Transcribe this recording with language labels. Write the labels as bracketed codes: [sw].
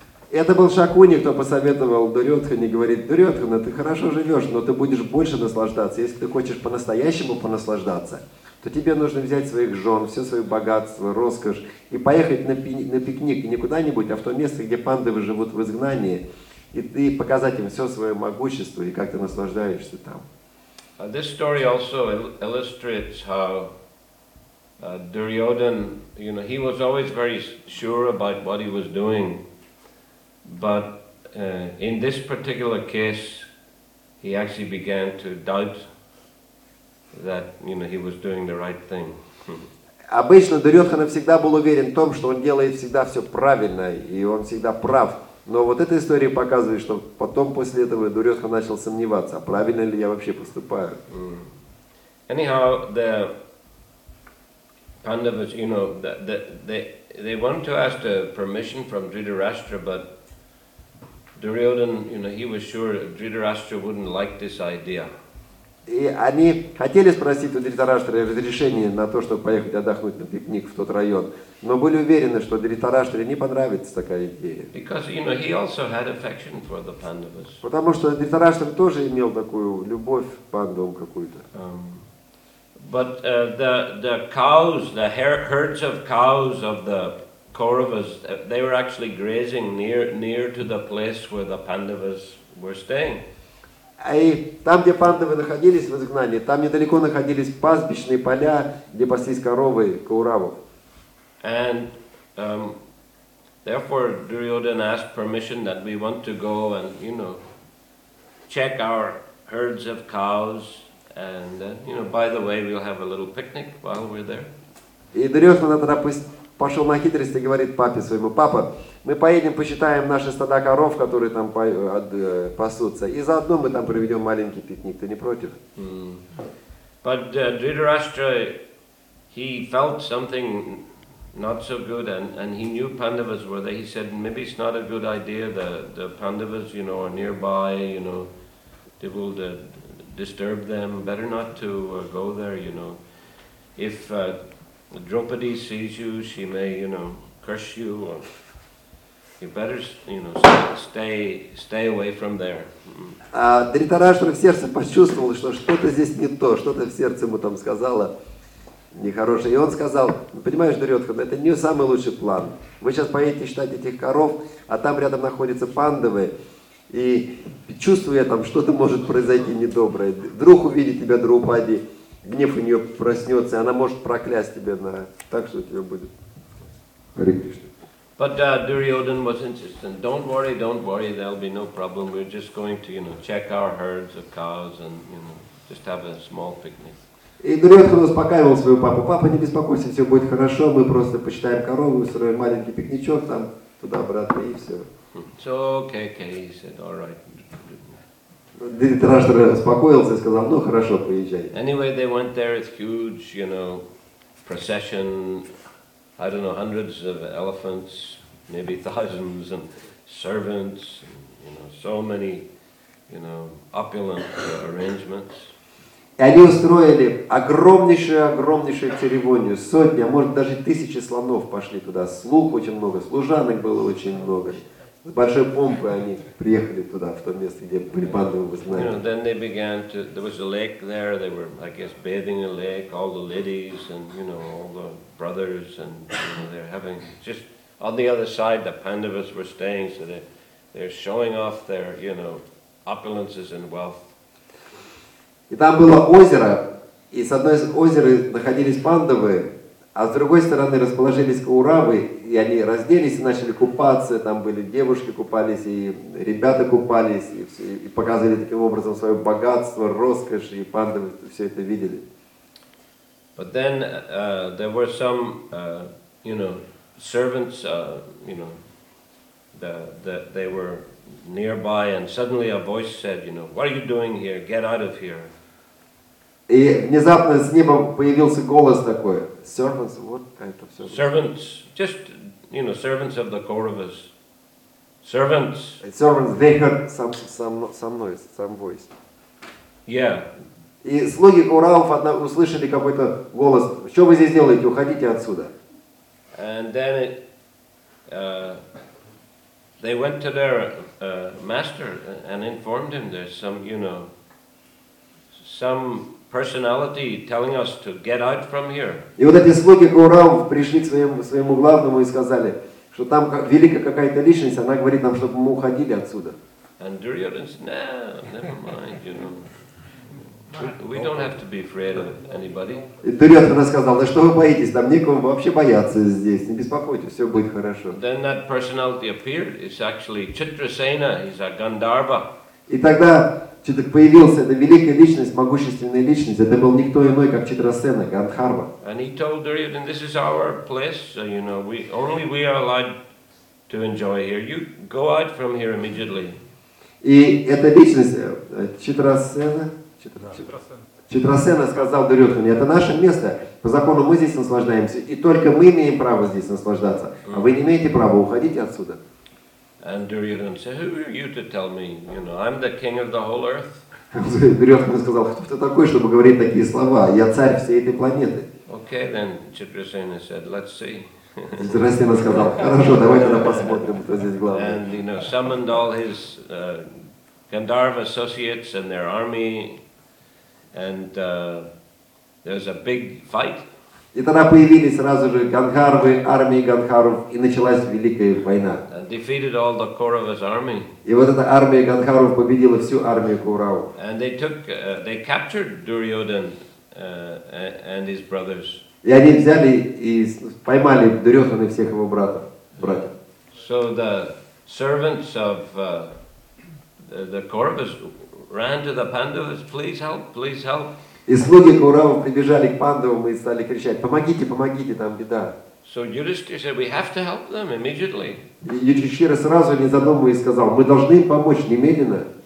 [ru] Это был Шакуни, кто посоветовал Дурьодхане, говорит: Дурьодхана, ты хорошо живешь, но ты будешь больше наслаждаться. Если ты хочешь по-настоящему понаслаждаться, то тебе нужно взять своих жен, все свое богатство, роскошь и поехать на пикник не куда-нибудь, а в то место, где пандавы живут в изгнании. И ты показать им все свое могущество, и как ты наслаждаешься там. [en] This story also illustrates how Duryodhan, you know, he was always very sure about what he was doing, but in this particular case, he actually began to doubt that, you know, he was doing the right thing. [ru] Обычно Дурьодхана всегда был уверен в том, что он делает всегда все правильно, и он всегда прав. Но вот эта история показывает, что потом после этого Дурьотха начал сомневаться, а правильно ли я вообще поступаю. [en] Anyhow, the Pandavas, you know, they want to ask the permission from Dhritarashtra, but Duryodhan, you know, he was sure Dhritarashtra wouldn't like this idea. [ru] И они хотели спросить у Дхритарашты разрешение на то, чтобы поехать отдохнуть на пикник в тот район, но были уверены, что Дхритарашты не понравится такая идея. [en] Because, you know, he also had affection for the Pandavas. [ru] Потому что Дхритарашты тоже имел такую любовь к пандавам какую-то. [en] But the cows, the herds of cows of the Kauravas, they were actually grazing near to the place where the Pandavas were staying. [ru] И там, где пандавы находились в изгнании, там недалеко находились пастбищные поля, где паслись коровы Кауравов. [en] And therefore Duryodhan asked permission that we want to go and, you know, check our herds of cows. And you know, by the way, we'll have a little picnic while we're there. [ru] И Дурьотхана тогда пошел на хитрость и говорит папе своему: папа, мы поедем, посчитаем наши стада коров, которые там пасутся, и заодно мы там проведем маленький пикник. Ты не против? [en] But Dhritarashtra, he felt something not so good, and he knew Pandavas were there. He said, maybe it's not a good idea. The Pandavas, you know, are nearby. You know, they will disturb them. Better not to go there. You know, if Draupadi sees you, she may, you know, curse you. Or you better, you know, stay away from there. [ru] А Дхритараштра в сердце почувствовал, что что-то здесь не то, что-то в сердце ему там сказала нехорошее. И он сказал: понимаешь, Дурьотхан, это не самый лучший план. Вы сейчас поедете считать этих коров, а там рядом находятся пандавы. И чувствуя там, что-то может произойти недоброе. Вдруг увидит тебя Драупади, гнев у нее проснется, и она может проклясть тебя на так, что у тебя будет Харе Кришна. [en] But Duryodhan was insistent. Don't worry, there'll be no problem. We're just going to, you know, check our herds of cows and, you know, just have a small picnic. [ru] И Дурьотхан успокаивал свою папу: папа, не беспокойся, все будет хорошо, мы просто почитаем корову, устроим маленький пикничок там, туда-обратно, и все. [en] So okay, he said, all right. [ru] Дхритараштра успокоился и сказал: ну хорошо, поезжай. [en] Anyway, they went there, it's huge, you know, procession, I don't know, hundreds of elephants, maybe thousands, and servants, and, you know, so many, you know, opulent arrangements. [ru] И они устроили огромнейшую церемонию, сотни, а может даже тысячи слонов пошли туда, слуг очень много, служанок было очень много. С большой помпой они приехали туда, в то место, где были пандавы в изгнании. [en] You know, then they began to, there was a lake there, they were, I guess, bathing in the lake, all the ladies and, you know, all the brothers, and, you know, they're having, just on the other side, the pandavas were staying, so they're showing off their, you know, opulences and wealth. [ru] И там было озеро, и с одной из озера находились пандавы, а с другой стороны расположились кауравы, и они разделись и начали купаться. Там были девушки купались, и ребята купались, и показывали таким образом свое богатство, роскошь, и пандавы все это видели. [en] But then there were some, you know, servants, you know, that they were nearby, and suddenly a voice said, you know, what are you doing here? Get out of here. [ru] И внезапно с неба появился голос такой: [en] servants, what kind of servants? Servants, just, you know, servants of the Kauravas. Servants. And servants, they heard some noise, some voice. Yeah. [ru] И слуги Кауравов услышали какой-то голос: что вы здесь делаете, уходите отсюда. [en] And then they went to their master and informed him there's some, you know, some personality telling us to get out from here. [ru] И вот эти слуги Кауравов пришли к своему главному и сказали, что там великая какая-то личность, она говорит нам, чтобы мы уходили отсюда. [en] And Duryodhan said, never mind, you know. We don't have to be afraid of anybody. [ru] И Дурьотхан сказал: да что вы боитесь, там некому вообще бояться здесь, не беспокойтесь, все будет хорошо. [en] Then that personality appeared, it's actually Chitrasena, he's a Gandharva. [ru] И тогда что-то появился, это великая личность, могущественная личность. Это был никто иной, как Читрасена, Гандхарва. [en] And he told Duryodhan, this is our place, so, you know, we are allowed to enjoy here. You go out from here immediately. [ru] И эта личность, Читрасена сказал Дурьотхане, это наше место, по закону мы здесь наслаждаемся, и только мы имеем право здесь наслаждаться, а вы не имеете права уходить отсюда. [en] And Duryodhan said, who are you to tell me, you know, I'm the king of the whole earth. [ru] Дурьотхана сказал, кто ты такой, чтобы говорить такие слова, я царь всей этой планеты. [en] Okay, then Читрасена said, let's see. [ru] Читрасена сказал, хорошо, давай тогда посмотрим, кто здесь главный. [en] And, you know, summoned all his Gandharva associates and their army, and there's a big fight. [ru] И тогда появились сразу же Гандхарвы, армии Гандхаров, и началась Великая война. [en] And defeated all the Kauravas army. [ru] И вот эта армия Гандхаров победила всю армию Кауравов. [en] And they took, they captured Duryodhan and his brothers. [ru] И они взяли и поймали Дурьотхана и всех его братьев. [en] So the servants of the Kauravas ran to the Pandavas, please help, please help. [ru] И слуги Кауравов прибежали к Пандавам и стали кричать, помогите, помогите, там беда. [en] So Yudhishthira said, we have to help them immediately. [ru] И Юдхиштхира сразу не задумываясь сказал, мы должны им помочь немедленно.